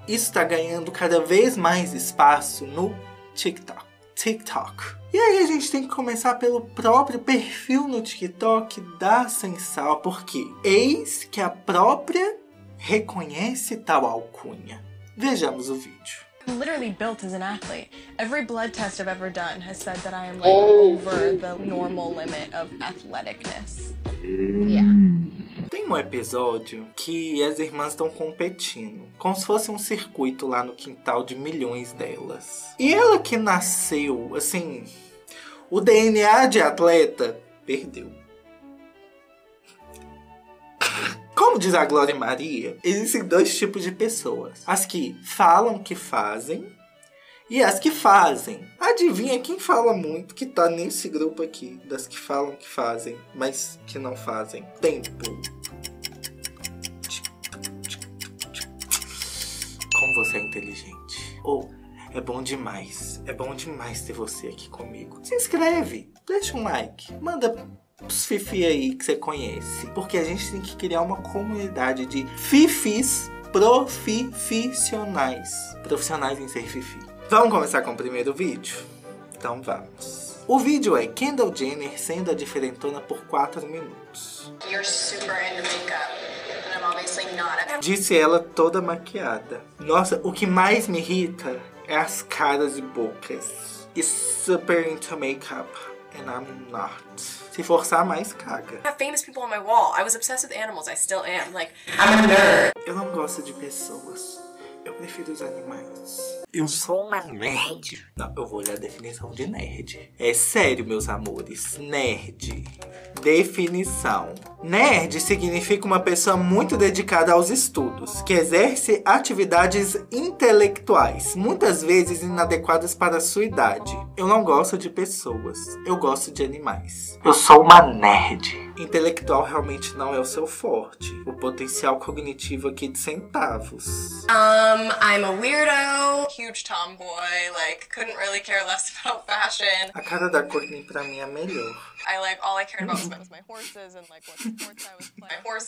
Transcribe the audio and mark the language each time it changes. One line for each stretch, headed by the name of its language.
Portuguese: Isso tá ganhando cada vez mais espaço no TikTok. TikTok. E aí a gente tem que começar pelo próprio perfil no TikTok da Sensal, porque eis que a própria reconhece tal alcunha. Vejamos o vídeo.
English: I'm literally built as an athlete. Every blood test I've ever done has said that I am like over the normal limit of athleticness. Yeah.
Portuguese: Tem um episódio que as irmãs estão competindo, como se fosse um circuito lá no quintal de milhões delas. E ela que nasceu, assim, o DNA de atleta, perdeu. Como diz a Glória Maria, existem dois tipos de pessoas. As que falam que fazem e as que fazem. Adivinha quem fala muito que tá nesse grupo aqui, das que falam que fazem, mas que não fazem. Tempo. Como você é inteligente. Ou, é bom demais. É bom demais ter você aqui comigo. Se inscreve, deixa um like, manda pros fifi aí que você conhece. Porque a gente tem que criar uma comunidade de fifis profissionais. Profissionais em ser fifi. Vamos começar com o primeiro vídeo? Então vamos. O vídeo é Kendall Jenner sendo a diferentona por 4 minutos.
English: You're super into makeup, and I'm obviously not a...
Portuguese: Disse ela toda maquiada. Nossa, o que mais me irrita é as caras e bocas.
English: You're super into makeup, and I'm not.
Portuguese: Se forçar mais, caga.
English: I have famous people on my wall. I was obsessed with animals. I still am. Like, I'm a nerd.
Portuguese: Eu não gosto de pessoas. Eu prefiro os animais. Eu sou uma nerd. Não, eu vou olhar a definição de nerd. É sério, meus amores. Nerd. Definição. Nerd significa uma pessoa muito dedicada aos estudos, que exerce atividades intelectuais, muitas vezes inadequadas para a sua idade. Eu não gosto de pessoas. Eu gosto de animais. Eu sou uma nerd. Intelectual realmente não é o seu forte. O potencial cognitivo aqui de centavos.
English: I'm a weirdo. Huge tomboy, like, couldn't really care less about fashion.
Portuguese: A cara da Courtney pra mim é melhor.
English: I like, all I cared about was my horses and like what sports I was playing.